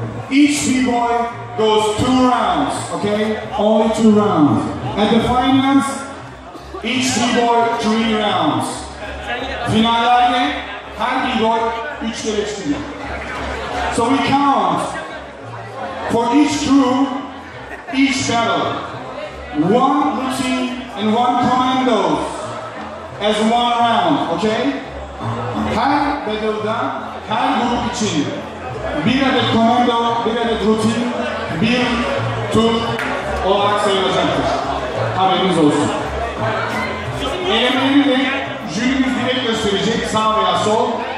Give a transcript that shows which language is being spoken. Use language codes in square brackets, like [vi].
[en] Each B-boy goes two rounds, okay? Only two rounds. At the finals, each B-boy three rounds. [tr] Finallerde her B-boy üç kere çıkıyor. [en] So we count for each crew, each battle. One routine and one commando as one round, okay? [tr] Her battle'da, her grup için bir adet commando, bir adet routine, bir tur olarak sayılacaktır. Haberiniz olsun. Eylemlerini de jürimiz direkt gösterecek, sağ veya sol.